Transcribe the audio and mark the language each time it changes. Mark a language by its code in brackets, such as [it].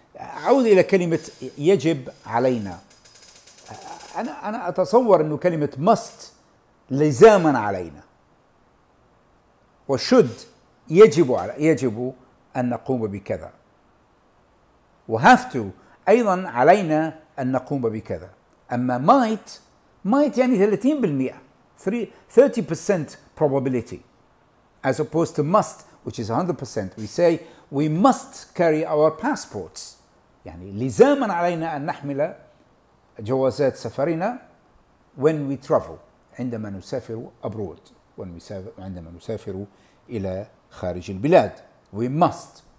[ar] عود إلى كلمة يجب علينا. أنا أتصور أنه كلمة must لزاما علينا، وشد يجب أن نقوم بكذا، وhave to أيضا علينا أن نقوم بكذا. [en] أما might يعني 30%، 30% probability as opposed to must which is 100%. We say we must carry our passports، [ar] يعني لزاما علينا أن نحمل جوازات سفرنا [en] when we travel، [ar] عندما نسافر abroad، عندما نسافر إلى خارج البلاد. [en] We must.